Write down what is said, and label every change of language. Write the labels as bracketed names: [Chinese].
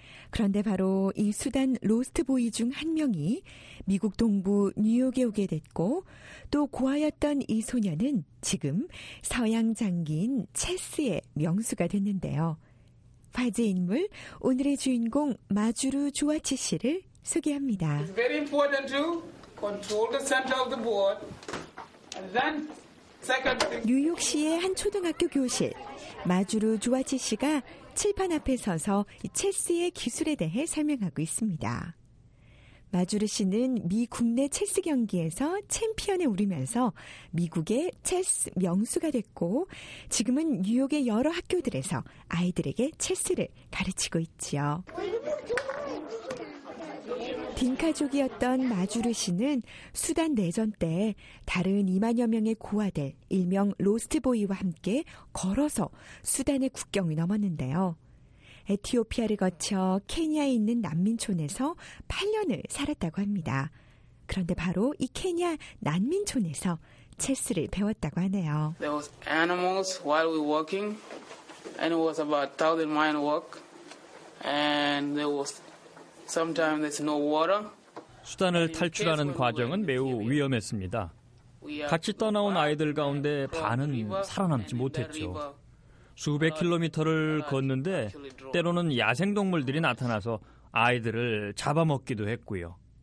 [Korean] 그런데 바로 이 수단 로스트 보이 중 한 명이 미국 동부 뉴욕에 오게 됐고 또 고아였던 이 소년은 지금 서양 장기인 체스의 명수가 됐는데요. 화제 인물 오늘의 주인공 마주루 조아치 씨를 소개합니다. [English] It's very important to control the center of the board. Then second thing. [Korean] 뉴욕시의 한 초등학교 교실. 마주루 조아치 씨가 칠판 앞에 서서 체스의 기술에 대해 설명하고 있습니다. 마주루 씨는 미 국내 체스 경기에서 챔피언에 오르면서 미국의 체스 명수가 됐고 지금은 뉴욕의 여러 학교들에서 아이들에게 체스를 가르치고 있지요. 딘카족이었던 마주루 씨는 수단 내전 때 다른 2만여 명의 고아들, 일명 로스트보이와 함께 걸어서 수단의 국경을 넘었는데요. 에티오피아를 거쳐 케냐에 있는 난민촌에서 8년을 살았다고 합니다. 그런데 바로 이 케냐 난민촌에서 체스를 배웠다고 하네요. [English] There was animals while we were working, and it was about 1,000 mile walk, and there was sometimes there's no water. [Korean] 수단을 탈출하는 과정은 매우 위험했습니다. 같이 떠나온 아이들 가운데 반은 살아남지 못했죠. 수백 킬로미터를 걷는데 때로는 야생동물들이 나타나서 아이들을 잡아먹기도 했고요.